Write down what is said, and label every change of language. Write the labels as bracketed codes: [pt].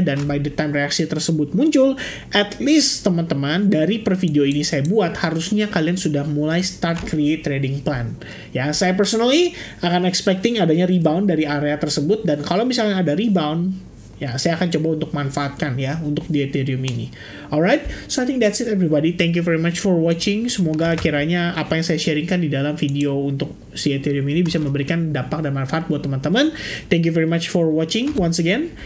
[id] Dan by the time reaksi tersebut muncul, at least teman-teman dari per video ini saya buat, harusnya kalian sudah mulai [en] start create trading plan [id] ya. Saya personally akan expecting adanya rebound dari area tersebut, dan kalau misalnya ada rebound ya, saya akan coba untuk manfaatkan ya untuk di Ethereum ini. [en] Alright, so I think that's it everybody. Thank you very much for watching. [id] Semoga kiranya apa yang saya sharingkan di dalam video untuk si Ethereum ini bisa memberikan dampak dan manfaat buat teman-teman. [en] Thank you very much for watching once again.